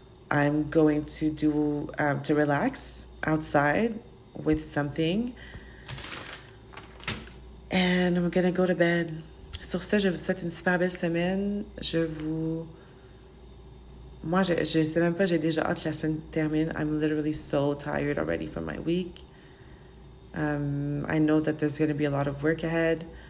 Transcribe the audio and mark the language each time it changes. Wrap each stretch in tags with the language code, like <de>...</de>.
<en>I'm going to do to relax outside with something. And I'm going to go to bed.</en> <fr>Sur ce, je vous souhaite une super belle semaine. Je vous Moi, je sais même pas, j'ai déjà hâte que la semaine termine.</fr> <en>I'm literally so tired already from my week. I know that there's going to be a lot of work ahead.</en>